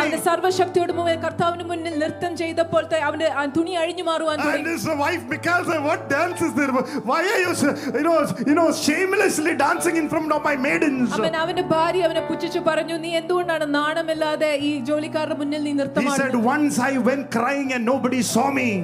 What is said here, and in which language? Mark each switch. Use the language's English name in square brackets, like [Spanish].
[Malayalam] അവന്റെ സർവശക്തിയോടെ മുമ്പ് കർത്താവിന് മുന്നിൽ നൃത്തം ചെയ്തപ്പോൾ അവന്റെ തുണി അഴിഞ്ഞു മാറുവാൻ തുടങ്ങി. [English] And his wife because what dance is there? Why are you shamelessly dancing in front of my maidens? [Malayalam] അവൻ അവന്റെ ഭാര്യ അവനെ പുച്ഛിച്ച് പറഞ്ഞു, നീ എന്തുകൊണ്ടാണ് നാണമില്ലാതെ ഈ ജോലിക്കാരുടെ മുന്നിൽ നീ നൃത്തമാടുന്നത്? [English] He said once I went crying and nobody saw me.